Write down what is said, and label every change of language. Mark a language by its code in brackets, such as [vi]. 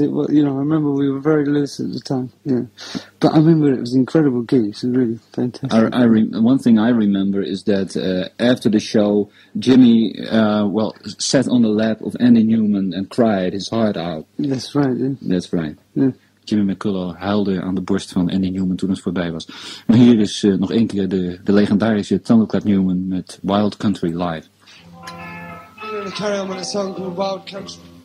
[en] I remember we were very loose at the time. Yeah, but I remember it was incredible gigs. It was really fantastic. One thing I remember is that after the show, Jimmy sat on the lap of Andy Newman and cried his heart out. That's right. Yeah. That's right. Yeah. [nl] Jimmy McCullough huilde aan de borst van Andy Newman toen het voorbij was. Maar hier is nog één keer de legendarische Thunderclap Newman met Wild Country Live. [en] I'm gonna carry on with a song called Wild Country.